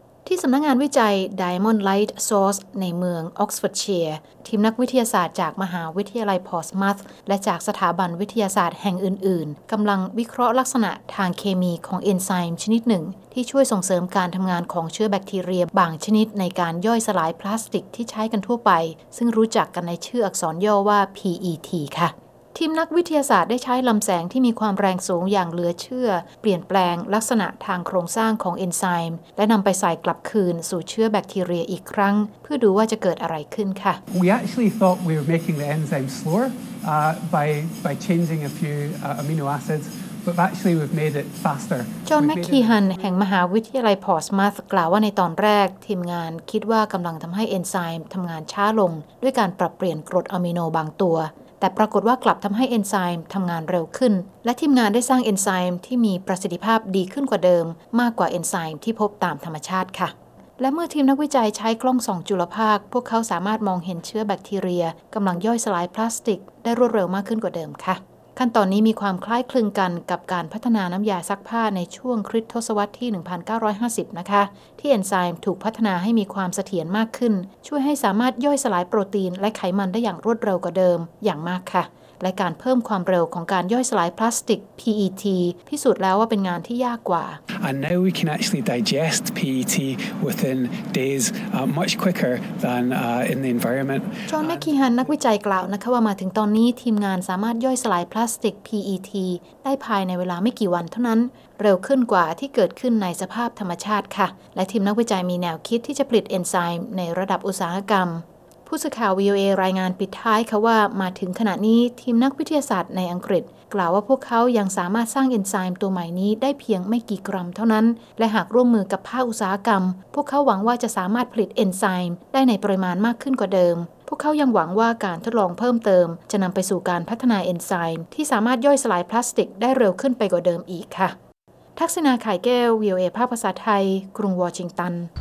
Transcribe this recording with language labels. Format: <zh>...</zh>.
<th>ที่สำนักงานวิจัย Diamond Light Source ในเมืองออกซ์ฟอร์ดเชียร์ทีมนักวิทยาศาสตร์จากมหาวิทยาลัยพอร์ทมัธและจากสถาบันวิทยาศาสตร์แห่งอื่นๆกำลังวิเคราะห์ลักษณะทางเคมีของเอนไซม์ชนิดหนึ่งที่ช่วยส่งเสริมการทำงานของเชื้อแบคทีเรียบางชนิดในการย่อยสลายพลาสติกที่ใช้กันทั่วไปซึ่งรู้จักกันในชื่ออักษรย่อว่า PET ค่ะ ทีมนักวิทยาศาสตร์ได้ใช้ลำแสงที่มีความแรงสูงอย่างเหลือเชื่อเปลี่ยนแปลงลักษณะทางโครงสร้างของเอนไซม์และนำไปใส่กลับคืนสู่เชื้อแบคทีเรียอีกครั้งเพื่อดูว่าจะเกิดอะไรขึ้นค่ะ</th> <en>We actually thought we were making the enzyme slower by changing a few amino acidsBut actually we've made it faster.</en> <th>John McKeehan แห่งมหาวิทยาลัย Portsmouth กล่าวว่าในตอนแรกทีมงานคิดว่ากำลังทำให้เอนไซม์ทำงานช้าลงด้วยการปรับเปลี่ยนกรดอะมิโนบางตัวแต่ปรากฏว่ากลับทำให้เอนไซม์ทำงานเร็วขึ้นและทีมงานได้สร้างเอนไซม์ที่มีประสิทธิภาพดีขึ้นกว่าเดิมมากกว่าเอนไซม์ที่พบตามธรรมชาติค่ะ และเมื่อทีมนักวิจัยใช้กล้องส่องจุลภาคพวกเขาสามารถมองเห็นเชื้อแบคทีเรียกำลังย่อยสลายพลาสติกได้รวดเร็วมากขึ้นกว่าเดิมค่ะขั้นตอนนี้มีความคล้ายคลึงกันกับการพัฒนาน้ำยาซักผ้าในช่วงคริสต์ศตวรรษที่ 1950นะคะที่เอนไซม์ถูกพัฒนาให้มีความเสถียรมากขึ้นช่วยให้สามารถย่อยสลายโปรตีนและไขมันได้อย่างรวดเร็วกว่าเดิมอย่างมากค่ะและการเพิ่มความเร็วของการย่อยสลายพลาสติก PET พิสูจน์แล้วว่าเป็นงานที่ยากกว่า</th> <en>And now we can actually digest PET within days much quicker than in the environment</en> <th>จอห์น แมคคีฮันนักวิจัยกล่าวนะคะว่ามาถึงตอนนี้ทีมงานสามารถย่อยสลายพลาสติก PET ได้ภายในเวลาไม่กี่วันเท่านั้นเร็วขึ้นกว่าที่เกิดขึ้นในสภาพธรรมชาติค่ะและทีมนักวิจัยมีแนวคิดที่จะผลิตเอนไซม์ในระดับอุตสาหกรรม ผู้สื่อข่าว VOA รายงานปิดท้ายค่ะว่ามาถึงขณะนี้ทีมนักวิทยาศาสตร์ในอังกฤษกล่าวว่าพวกเขายังสามารถสร้างเอนไซม์ตัวใหม่นี้ได้เพียงไม่กี่กรัมเท่านั้นและหากร่วมมือกับภาคอุตสาหกรรมพวกเขาหวังว่าจะสามารถผลิตเอนไซม์ได้ในปริมาณมากขึ้นกว่าเดิมพวกเขายังหวังว่าการทดลองเพิ่มเติมจะนำไปสู่การพัฒนาเอนไซม์ที่สามารถย่อยสลายพลาสติกได้เร็วขึ้นไปกว่าเดิมอีกค่ะทักษณาไข่แก้ว VOA ภาคภาษาไทยกรุงวอชิงตัน</th>